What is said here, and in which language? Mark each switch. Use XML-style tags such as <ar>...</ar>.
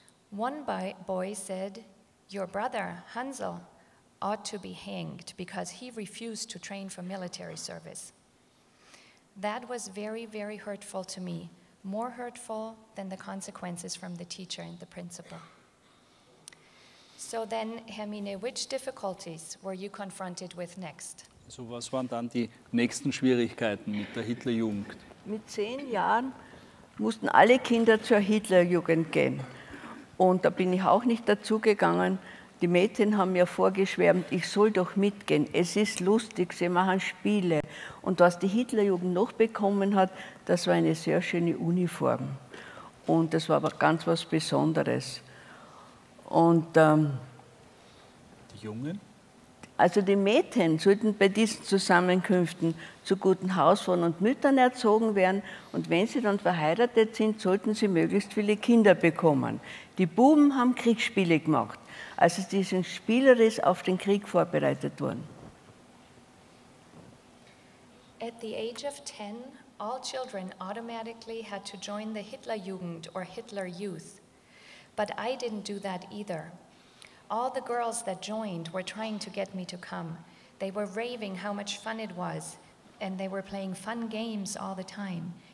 <en>One boy said, your brother, Hansel, ought to be hanged because he refused to train for military service. That was very, very hurtful to me, more hurtful than the consequences from the teacher and the principal. So then, Hermine, which difficulties were you confronted with next?</en> <de>So was waren dann die nächsten Schwierigkeiten mit der Hitlerjugend? Mit 10 Jahren mussten alle Kinder zur Hitlerjugend gehen. Und da bin ich auch nicht dazugegangen. Die Mädchen haben mir vorgeschwärmt, ich soll doch mitgehen. Es ist lustig, sie machen Spiele. Und was die Hitlerjugend noch bekommen hat, das war eine sehr schöne Uniform. Und das war aber ganz was Besonderes. Und die Jungen? Also die Mädchen sollten bei diesen Zusammenkünften zu guten Hausfrauen und Müttern erzogen werden und wenn sie dann verheiratet sind, sollten sie möglichst viele Kinder bekommen. Die Buben haben Kriegsspiele gemacht, also sie sind spielerisch auf den Krieg vorbereitet worden.</de> <en>At the age of 10, all children automatically had to join the Hitlerjugend or Hitler Youth. But I didn't do that either. All the girls that joined were trying to get me to come. They were raving how much fun it was, and they were playing fun games all the time.</en>